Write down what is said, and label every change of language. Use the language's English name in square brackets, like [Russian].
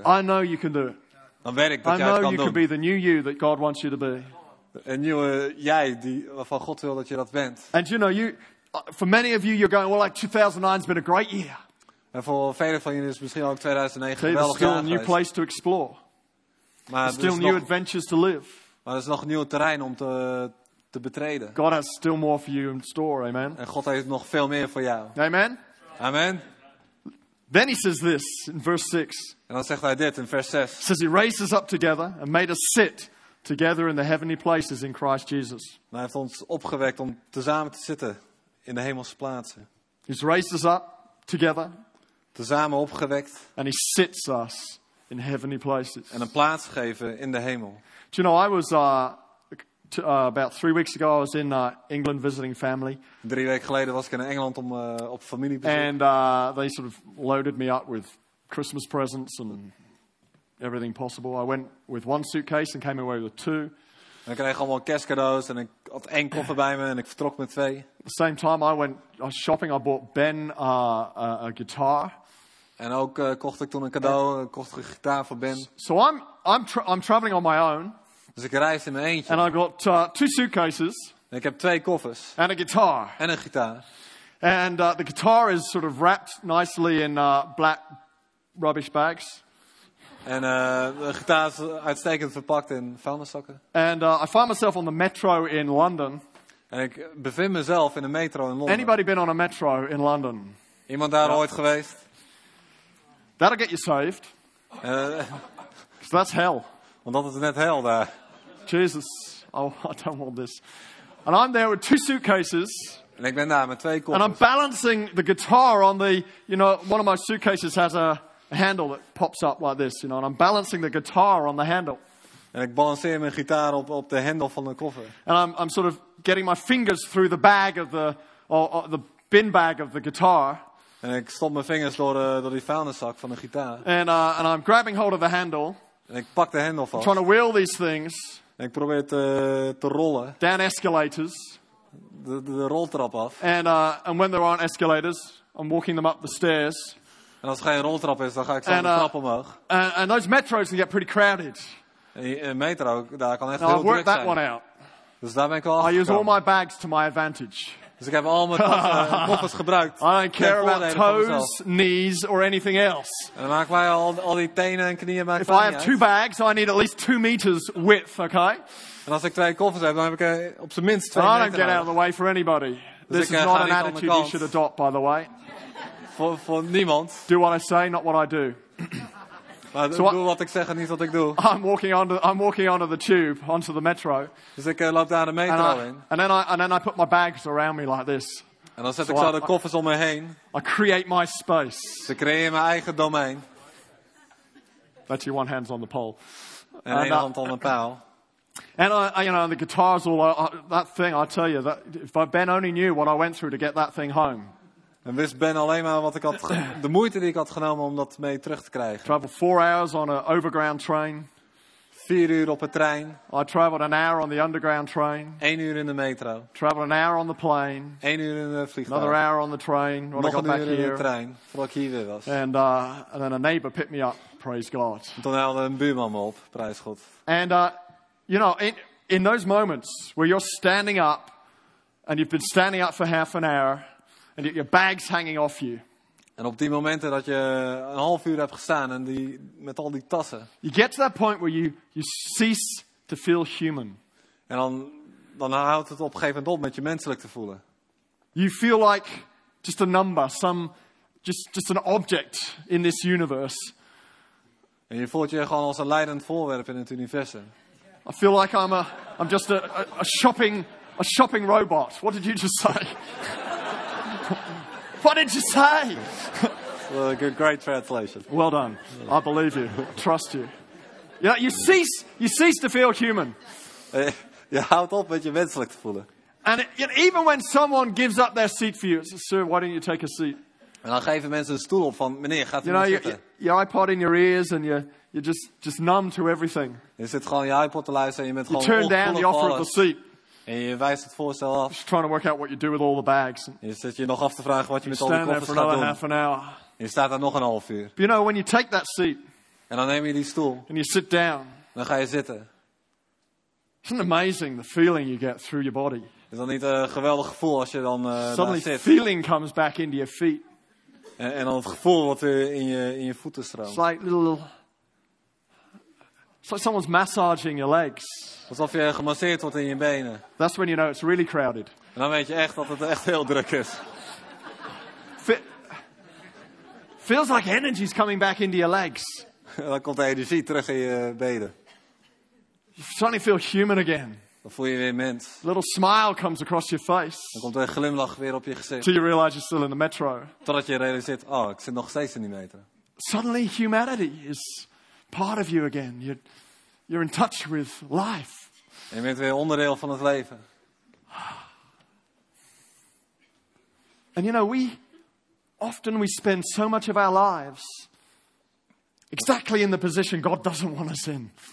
[English] I know you can do it. [Dutch] Dan weet ik dat [English] I [Dutch] jij [English] know [Dutch] het kan [English] you [Dutch] doen. [English] Can be the new you that God wants you to be. [Dutch] Een nieuwe jij die waarvan God wil dat je dat bent. [English] And you know, you, for many of you, you're going, well, like 2009 has been a great year. [Dutch] En voor velen van jullie is misschien ook 2009 geweldig jaar. [English] It's still a new place to explore. There's still new adventures to live. [Dutch] Maar er is nog nieuw terrein om te betreden. [English] God has still more for you in store, amen. [Dutch] En God heeft nog veel meer voor jou. [English] Amen. Amen. Then he says this in verse 6. [Dutch] En dan zegt hij dit in vers 6. [English] He says he raised us up together and made us sit. Together in the heavenly places in Christ Jesus. [Dutch] Hij heeft ons opgewekt om tezamen te zitten in de hemelse plaatsen. [English] He's raised us up together. [Dutch] Tezamen opgewekt. [English] And he sits us in heavenly places. [Dutch] En een plaats geven in de hemel. [English] Do you know, I was about 3 weeks ago, I was in England visiting family. [Dutch] 3 weken geleden was ik in Engeland om op familiebezoek. [English] And they sort of loaded me up with Christmas presents and everything possible. I went with one suitcase and came away with two. [Dutch] En ik kreeg allemaal kerstcadeaus en ik had één koffer bij me en ik vertrok met twee. [English] At the same time I was shopping, I bought Ben a guitar. [Dutch] En ook kocht ik toen een cadeau, kocht een gitaar voor Ben. [English] So I'm traveling on my own. [Dutch] Dus ik reis in mijn eentje. [English] And I got two suitcases. [Dutch] En ik heb twee koffers. [English] And a guitar. [Dutch] En een gitaar. [English] And the guitar is sort of wrapped nicely in black rubbish bags. [Dutch] En de gitaar is uitstekend verpakt in vuilniszakken. [English] And I find myself on the metro in London. [Dutch] En ik bevind mezelf in een metro in Londen. [English] Anybody been on a metro in London? [Dutch] Iemand daar ooit geweest? [English] That'll get you saved. So that's hell. [Dutch] Want dat is net hell daar. [English] Jesus, I don't want this. And I'm there with two suitcases. [Dutch] En ik ben daar met twee koffers. [English] And I'm balancing the guitar on the, you know, one of my suitcases has a handle that pops up like this, you know, and I'm balancing the guitar on the handle. [Dutch] En ik balanceer mijn gitaar op de hendel van de koffer. [English] And I'm sort of getting my fingers through the bag of the or the bin bag of the guitar. [Dutch] En ik stop mijn vingers door die vuilniszak van de gitaar. [English] And I'm grabbing hold of the handle. [Dutch] En ik pak de hendel vast. [English] Trying to wheel these things. [Dutch] En ik probeer te rollen. [English] Down escalators. [Dutch] De roltrap af. [English] And when there aren't escalators, I'm walking them up the stairs. [Dutch] En als er geen roltrap is, dan ga ik zo de trap omhoog. [English] And those metros can get pretty crowded. [Dutch] Een metro, daar kan echt [English] now [Dutch] heel druk [English] that [Dutch] zijn. [English] One out. [Dutch] Dus daar ben ik al [English] I use all my bags to my advantage. [Dutch] Dus ik heb al mijn koffers gebruikt. [English] I don't care about toes, knees or anything else. [Dutch] En dan maak mij al die tenen en knieën maken. [English] If I have two bags, I need at least 2 meters width, okay? [Dutch] En als ik twee koffers heb, dan heb ik op zijn minst 2 meter. [English] I don't get out of the way for anybody. [Dutch] Dus [English] this is not an attitude you should adopt, by the way. [Dutch] Voor niemand. [English] Do what I say, not what I do. [Dutch] Maar so doe wat ik zeg en niet wat ik doe. [English] I'm walking onto the tube, onto the metro. [Dutch] Dus ik loop daar de metro [English] and [Dutch] in. [English] And then I put my bags around me like this. [Dutch] En dan zet ik zo de koffers om me heen. [English] I create my space. [Dutch] Ze creëren mijn eigen domein. [English] That's your one hand's on the pole. [Dutch] En één hand [English] on the pole. And I, you know, the guitar's all that thing. I tell you, that if Ben only knew what I went through to get that thing home. [Dutch] En wist Ben alleen maar wat ik had de moeite die ik had genomen om dat mee terug te krijgen. [English] Travel 4 hours on an overground train. [Dutch] 4 uur op een trein. [English] I traveled an hour on the underground train. [Dutch] 1 uur in de metro. [English] Traveled an hour on the plane. [Dutch] 1 uur in de vliegtuig. [English] Another hour on the train. When [Dutch] nog [English] I got [Dutch] een uur [English] back [Dutch] in [English] here. [Dutch] De trein, voordat ik hier weer was. [English] And then a neighbor picked me up, praise God. [Dutch] En toen haalde een buurman me op, [English] praise God. And you know, in those moments where you're standing up, and you've been standing up for half an hour, and your bag's hanging off you. [Dutch] En op die momenten dat je een half uur hebt gestaan en die, met al die tassen. [English] You get to that point where you cease to feel human. [Dutch] En dan houdt het op een gegeven moment op met je menselijk te voelen. [English] You feel like just a number, just an object in this universe. [Dutch] En je voelt je gewoon als een leidend voorwerp in het universum. [English] I feel like I'm just a shopping robot. What did you just say? What did you say? Well, good, great translation. Well done. I believe you. Trust you. Yeah, you cease to feel human. [Dutch] Je houdt op met je menselijk te voelen. [English] And even when someone gives up their seat for you, it says, sir, why don't you take a seat? [Dutch] En dan geven mensen een stoel op van, meneer, gaat u maar zitten. [English] Your iPod in your ears and you're just numb to everything. [Dutch] Je zit gewoon je iPod te luisteren en je bent gewoon [English] turn down the offer of the seat. [Dutch] En je wijst het voorstel af. [English] Just trying to work out what you do with all the bags. [Dutch] Je zit je nog af te vragen wat je met al die koffers gaat doen. [English] Half an hour. [Dutch] Je staat daar nog een half uur. [English] But you know, when you take that seat. [Dutch] En dan neem je die stoel. [English] And you sit down. [Dutch] Dan ga je zitten. [English] Isn't it amazing the feeling you get through your body? [Dutch] Is dat niet een geweldig gevoel als je dan [English] suddenly [Dutch] daar zit? [English] Feeling comes back into your feet. [Dutch] En dan het gevoel wat er in je voeten stroomt. [English] It's like someone's massaging your legs. [Dutch] Alsof je gemasseerd wordt in je benen. [English] That's when you know it's really crowded. [Dutch] En dan weet je echt dat het echt heel druk is. [English] Feels like energy's coming back into your legs. [Dutch] Dan komt de energie terug in je benen. [English] You suddenly feel human again. [Dutch] Dan voel je weer mens. [English] A little smile comes across your face. [Dutch] Dan komt een glimlach weer op je gezicht. [English] Till you realize you're still in the metro. [Dutch] Totdat je realiseert, oh, ik zit nog steeds in die metro. [English] Suddenly humanity is part of you again. You're in touch with life. [Dutch] En je bent weer onderdeel van het leven. [English] And you know, we spend so much of our lives exactly in the position God doesn't want us in.